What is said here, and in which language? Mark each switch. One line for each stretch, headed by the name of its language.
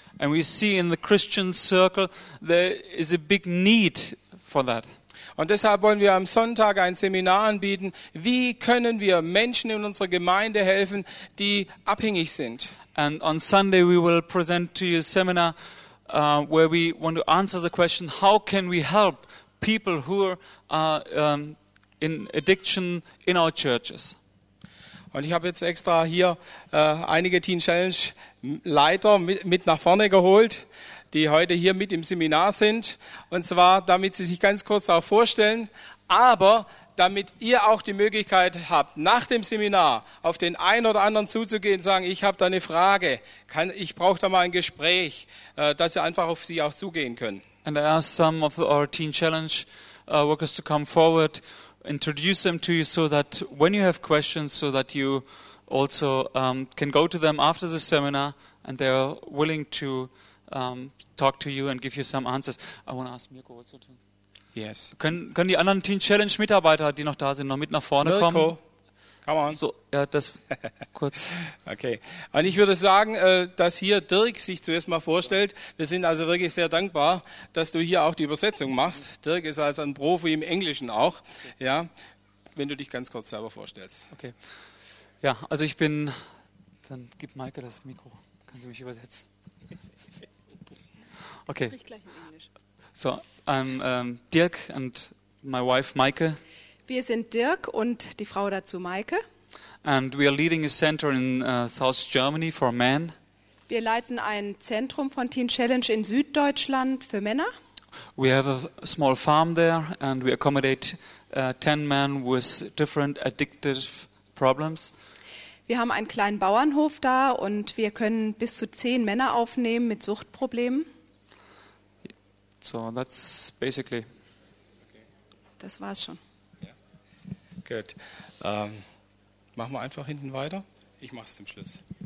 English: And we see in the Christian circle there is a big need for that.
German: Und deshalb wollen wir am Sonntag ein Seminar anbieten, wie können wir Menschen in unserer Gemeinde helfen, die abhängig sind.
English: And on Sunday we will present to you a seminar where we want to answer the question, how can we help people who are in addiction in our churches?
German: Und ich habe jetzt extra hier einige Teen Challenge Leiter mit nach vorne geholt, die heute hier mit im Seminar sind. Und zwar, damit sie sich ganz kurz auch vorstellen, aber damit ihr auch die Möglichkeit habt, nach dem Seminar auf den einen oder anderen zuzugehen und sagen, ich habe da eine Frage, ich brauche da mal ein Gespräch, dass ihr einfach auf sie auch zugehen könnt.
English: And I asked some of our Teen Challenge workers to come forward, introduce them to you so that when you have questions, so that you also can go to them after the seminar and they are willing to talk to you and give you some answers. I want to ask Mirko also to. Yes.
German: Können die anderen Teen Challenge Mitarbeiter, die noch da sind, noch mit nach vorne Mirko, kommen?
English: Mirko, come on.
German: So, ja, das kurz. Okay. Und ich würde sagen, dass hier Dirk sich zuerst mal vorstellt. Wir sind also wirklich sehr dankbar, dass du hier auch die Übersetzung machst. Dirk ist also ein Profi im Englischen auch. Ja, wenn du dich ganz kurz selber vorstellst. Okay. Ja, also ich bin, dann gib Maike das Mikro, kann sie mich übersetzen. Okay. Sprich gleich in Englisch.
English: So, Dirk and my wife Maike.
German: Wir sind Dirk und die Frau dazu Maike.
English: And we are leading a center in South Germany for men.
German: Wir leiten ein Zentrum von Teen Challenge in Süddeutschland für Männer.
English: We have a small farm there and we accommodate 10 men with different addictive problems.
German: Wir haben einen kleinen Bauernhof da und wir können bis zu 10 Männer aufnehmen mit Suchtproblemen.
English: So, that's basically.
German: Das war's schon.
English: Yeah. Good.
German: Machen wir einfach hinten weiter. Ich mach's zum Schluss.